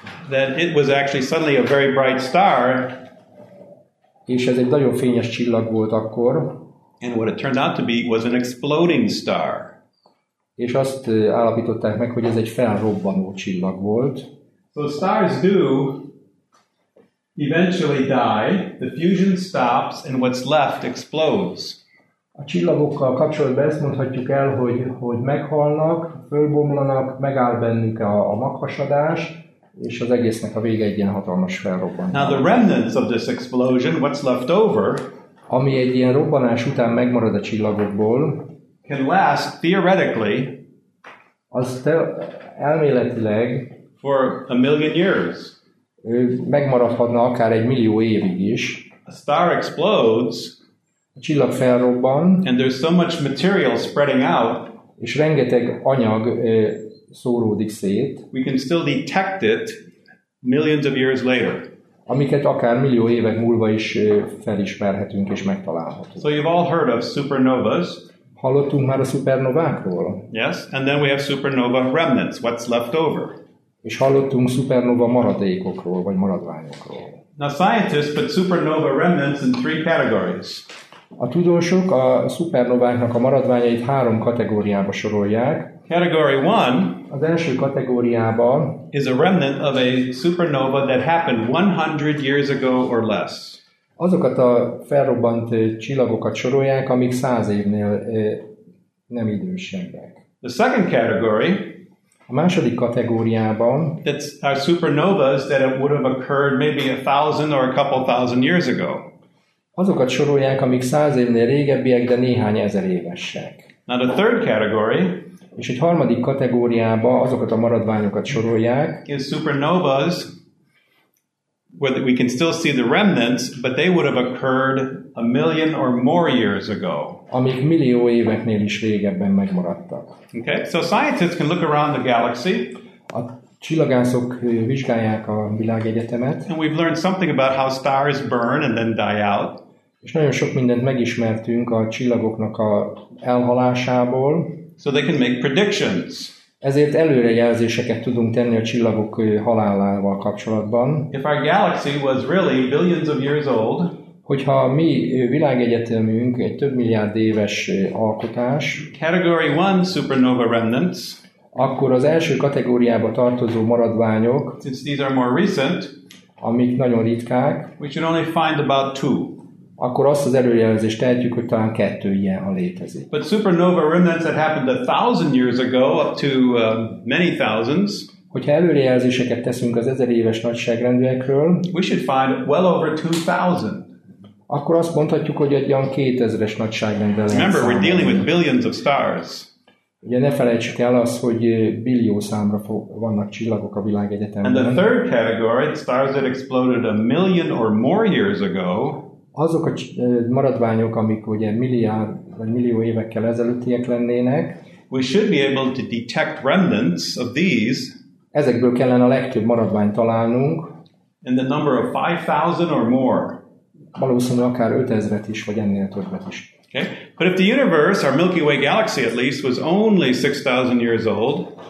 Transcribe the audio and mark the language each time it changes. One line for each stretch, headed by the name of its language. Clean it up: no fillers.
English: That it was actually suddenly a very bright star.
Hungarian: És ez egy nagyon fényes csillag volt akkor.
English: And what it turned out to be was an exploding star.
Hungarian: És azt állapították meg, hogy ez egy felrobbanó csillag volt.
English: So stars do eventually die, the fusion stops, and what's left explodes.
Hungarian: A csillagokkal kapcsolatban ezt mondhatjuk el, hogy meghalnak, fölbomlanak, megáll bennük a maghasadás, és az egésznek a vége egy ilyen hatalmas felrobbanás.
English: Now the remnants of this explosion, what's left over,
Hungarian: ami egy ilyen robbanás után megmarad a csillagokból,
English: can last theoretically,
Hungarian: az elméletileg
English: for a million years.
Hungarian: Megmaradhatna akár egy millió évig is.
English: A star explodes,
Hungarian: a csillag felrobban,
English: and there's so much material spreading out,
Hungarian: és rengeteg anyag szóródik szét.
English: We can still detect it millions of years later.
Hungarian: Amiket akár millió évek múlva is felismerhetünk és megtalálhatunk.
English: So you've all heard of supernovas.
Hungarian: Hallottunk már a szupernovákról.
English: Yes, and then we have supernova remnants, what's left over.
Hungarian: És hallottunk szupernova maradékokról vagy maradványokról.
English: Now scientists put supernova remnants in three categories.
Hungarian: A tudósok a szupernováknak a maradványait három kategóriába sorolják.
English: Category 1,
Hungarian: az első kategóriában,
English: is a remnant of a supernova that happened 100 years ago or less.
Hungarian: Azokat a felrobbant csillagokat sorolják, amik 100 évnél nem idősebbek.
English: The second category,
Hungarian: a második kategóriában,
English: that's our supernovas that it would have occurred maybe 1,000 or a couple thousand years ago.
Hungarian: Azokat sorolják, amik 100 évnél régebbiek, de néhány ezer évesek.
English: Now the third category,
Hungarian: és egy harmadik kategóriába azokat a maradványokat sorolják,
English: is supernovas where we can still see the remnants, but they would have occurred a million or more years ago.
Hungarian: Amik millió éveknél is régebben megmaradtak.
English: Okay, so scientists can look around the galaxy.
Hungarian: A csillagászok vizsgálják a világegyetemet.
English: And we've learned something about how stars burn and then die out.
Hungarian: És nagyon sok mindent megismertünk a csillagoknak a elhalásából.
English: So they can make predictions.
Hungarian: Ezért előrejelzéseket tudunk tenni a csillagok halálával kapcsolatban.
English: If our galaxy was really billions of years old,
Hungarian: hogyha mi világegyetemünk egy több milliárd éves alkotás,
English: category 1 supernova remnants,
Hungarian: akkor az első kategóriába tartozó maradványok,
English: since these are more recent,
Hungarian: amik nagyon ritkák,
English: we should only find about 2.
Hungarian: Akkor azt az előrejelzést tehetjük, hogy talán 2 ilyen, ha létezik.
English: But supernova remnants that happened 1,000 years ago up to many thousands.
Hungarian: Hogyha előrejelzéseket teszünk az ezer éves nagyságrendűekről,
English: we should find well over 2,000.
Hungarian: Akkor azt mondhatjuk, hogy egy olyan 2000-es nagyságrendben lehet.
English: Remember, we're dealing with billions of stars.
Hungarian: Ugye ne felejtsük el azt, hogy billió számra vannak csillagok a világegyetemben.
English: And the third category, stars that exploded a million or more years ago,
Hungarian: azok a maradványok, amik ugye milliárd vagy millió évekkel ezelőttiek lennének,
English: we should be able to detect remnants of these.
Hungarian: Ezekből kellene a legtöbb maradványt találnunk.
English: In the number of 5,000 or more.
Hungarian: Valószínűleg akár 5000-et is, vagy ennél többet is.
English: Okay. But if the universe, our Milky Way galaxy at least, was only 6,000 years old,